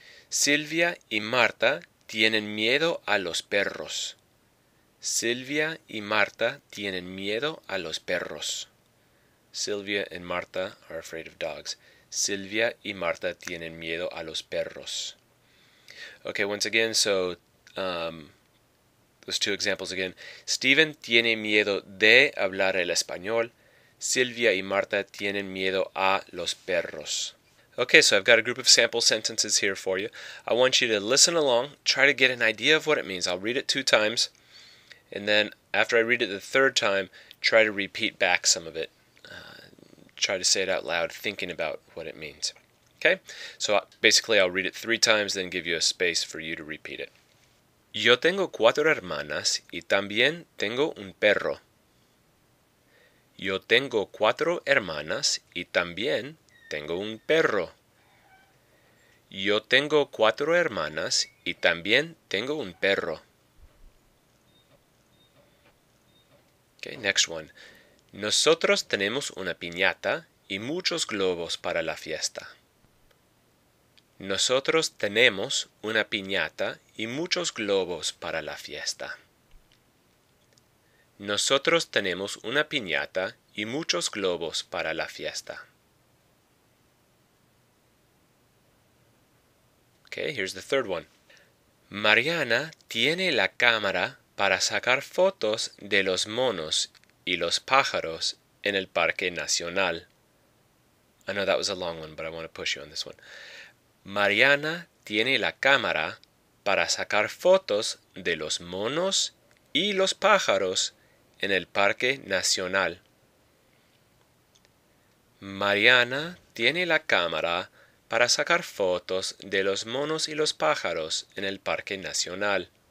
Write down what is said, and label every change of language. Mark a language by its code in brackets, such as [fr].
[es] Silvia y Marta tienen miedo a los perros. Silvia y Marta tienen miedo a los perros. [en] Silvia and Marta are afraid of dogs. [es] Silvia y Marta tienen miedo a los perros. [en] Okay, once again, so those two examples again. [es] Steven tiene miedo de hablar el español. Silvia y Marta tienen miedo a los perros. [en] Okay, so I've got a group of sample sentences here for you. I want you to listen along, try to get an idea of what it means. I'll read it two times, and then after I read it the third time, try to repeat back some of it. try to say it out loud, thinking about what it means. Okay? So basically, I'll read it 3 times, then give you a space for you to repeat it. [es] Yo tengo 4 hermanas y también tengo un perro. Yo tengo 4 hermanas y también tengo un perro. Yo tengo 4 hermanas y también tengo un perro. [en] Okay, next one. [es] Nosotros tenemos una piñata y muchos globos para la fiesta. Nosotros tenemos una piñata y muchos globos para la fiesta. Nosotros tenemos una piñata y muchos globos para la fiesta. [en] Okay, here's the third one. [es] Mariana tiene la cámara para sacar fotos de los monos y los pájaros en el parque nacional. [en] I know that was a long one, but I want to push you on this one. [es] Mariana tiene la cámara para sacar fotos de los monos y los pájaros en el parque nacional. Mariana tiene la cámara para sacar fotos de los monos y los pájaros en el parque nacional.